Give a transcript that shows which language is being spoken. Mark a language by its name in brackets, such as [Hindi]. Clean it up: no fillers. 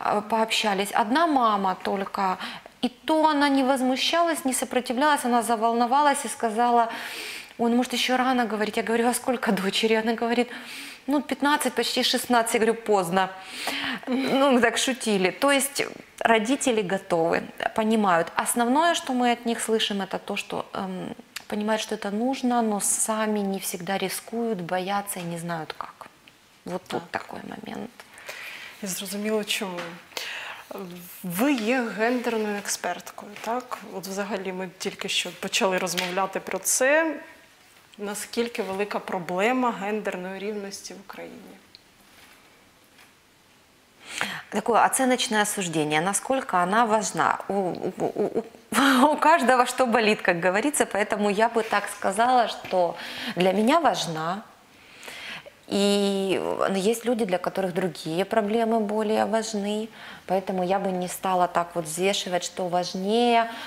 [Russian] пообщались, одна мама только, и то она не возмущалась, не сопротивлялась, она заволновалась и сказала, он может еще рано говорить, я говорю, а сколько дочери, она говорит, ну, 15, почти 16, я говорю, поздно, ну, так шутили, то есть родители готовы, понимают, основное, что мы от них слышим, это то, что понимают, что это нужно, но сами не всегда рискуют, боятся и не знают как. Вот так. Тут такой момент. [Ukrainian] Я зрозуміла, чому. Ви є гендерною експерткою, так? От взагалі ми тільки що почали розмовляти про це. Наскільки велика проблема гендерної рівності в Україні? [Russian] Такое оценочное осуждение, насколько она важна. У каждого что болит, как говорится, поэтому я бы так сказала, что для меня важна. И есть люди, для которых другие проблемы более важны, поэтому я бы не стала так вот взвешивать, что важнее.